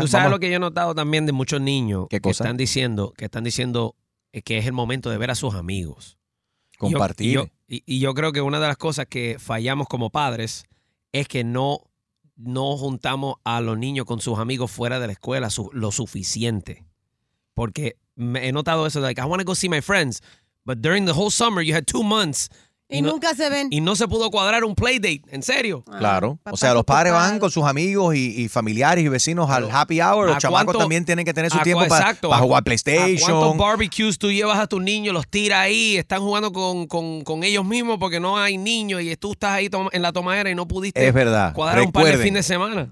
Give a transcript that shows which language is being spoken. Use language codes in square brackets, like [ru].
[es] Tú sabes lo que yo he notado también de muchos niños que están diciendo, que es el momento de ver a sus amigos. Compartir. Y yo creo que una de las cosas que fallamos como padres es que no juntamos a los niños con sus amigos fuera de la escuela lo suficiente. Porque me he notado eso, [en] like, I want to go see my friends, but during the whole summer, you had 2 months. [es] Y nunca se ven. Y no se pudo cuadrar un playdate, en serio. Ah, claro. O sea, los padres van con sus amigos y familiares y vecinos al happy hour. Los chamacos también tienen que tener su tiempo para jugar PlayStation. ¿A cuántos barbecues tú llevas a tus niños, los tiras ahí, están jugando con ellos mismos porque no hay niños y tú estás ahí en la tomadera y no pudiste cuadrar un par de fin de semana?